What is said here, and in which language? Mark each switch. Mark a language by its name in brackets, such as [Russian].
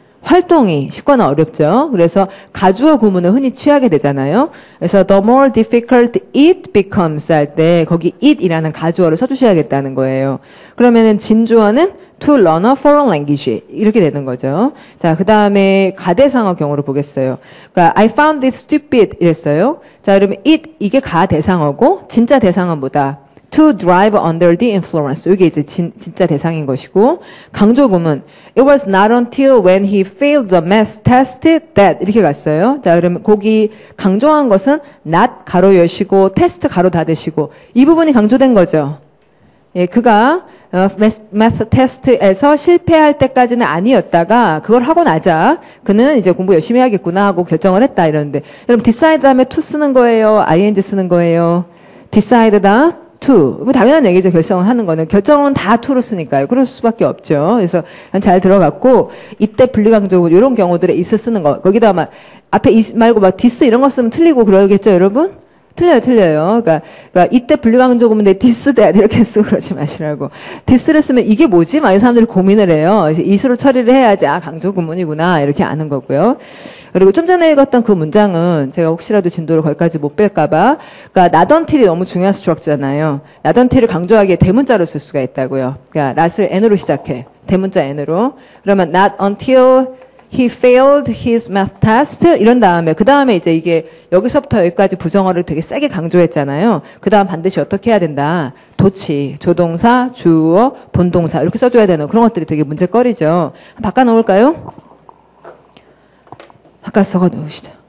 [Korean] 활동이 식과는 어렵죠. 그래서 가주어 구문을 흔히 취하게 되잖아요. 그래서 [English] the more difficult it becomes [Korean] 할 때 거기 it이라는 가주어를 써주셔야겠다는 거예요. 그러면은 진주어는 [English] to learn a foreign language [Korean] 이렇게 되는 거죠. 자, 그 다음에 가대상어 경우로 보겠어요. 그러니까 [English] I found it stupid [Korean] 이랬어요. 자, 그러면 it 이게 가대상어고 진짜 대상어 뭐다? [English] To drive under the influence. [Korean] 이게 이제 진짜 대상인 것이고 강조구문 [English] It was not until when he failed the math test that [Korean] 이렇게 갔어요. 자, 그러면 거기 강조한 것은 not 가로 여시고 test 가로 닫으시고 이 부분이 강조된 거죠. 예, 그가 math test에서 실패할 때까지는 아니었다가 그걸 하고 나자 그는 이제 공부 열심히 해야겠구나 하고 결정을 했다 이러는데 여러분 decide 다음에 to 쓰는 거예요? ing 쓰는 거예요? decide 다 to. 뭐 당연한 얘기죠. 결정을 하는 거는. 결정은 다 to로 쓰니까요. 그럴 수밖에 없죠. 그래서 잘 들어갔고 이때 분리강조구 이런 경우들에 is 쓰는 거. 거기다 막 앞에 is 말고 막 this 이런 거 쓰면 틀리고 그러겠죠. 여러분? 틀려요. 그러니까 이때 분리강조구인데 this that 이렇게 쓰고 그러지 마시라고. this를 쓰면 이게 뭐지? 많은 사람들이 고민을 해요. is로 처리를 해야지 아 강조구문이구나 이렇게 아는 거고요. 그리고 좀 전에 읽었던 그 문장은 제가 혹시라도 진도를 거기까지 못 뺄까 봐. 그러니까 not until이 너무 중요한 structure잖아요. not until을 강조하기에 대문자로 쓸 수가 있다고요. 그러니까 not을 n으로 시작해. 대문자 n으로. 그러면 [English] not until He failed his math test. [Korean] 이런 다음에, 그 다음에 이제 이게 여기서부터 여기까지 부정어를 되게 세게 강조했잖아요. 그 다음 반드시 어떻게 해야 된다. 도치, 조동사, 주어, 본동사. 이렇게 써줘야 되는 그런 것들이 되게 문제거리죠. 바꿔놓을까요? 아까 써놓으시죠.